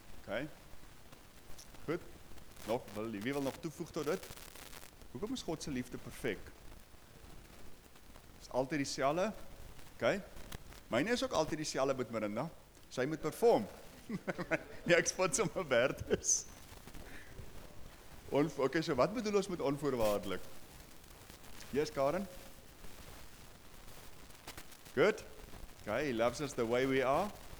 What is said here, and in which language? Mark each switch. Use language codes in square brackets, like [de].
[af] Ok, goed, nog, wie wil nog toevoeg tot dit? Hoekom is God se liefde perfek? Is altyd die selle, ok, myne is ook altyd die selle met Marinda, sy moet perform. Nee, ek spots om my werd is. Ok, so wat bedoel ons met onvoorwaardelik? [en] Yes, Karen? Good. Okay, he loves us the way we are.